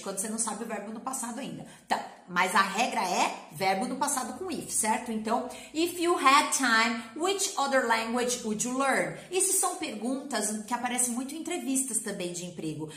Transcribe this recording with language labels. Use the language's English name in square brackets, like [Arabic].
[Portuguese] Quando você não sabe o verbo no passado ainda. Tá, mas a regra é verbo no passado com if, certo? Então, [English] if you had time, which other language would you learn? [Portuguese] Isso são perguntas que aparecem muito em entrevistas também de emprego.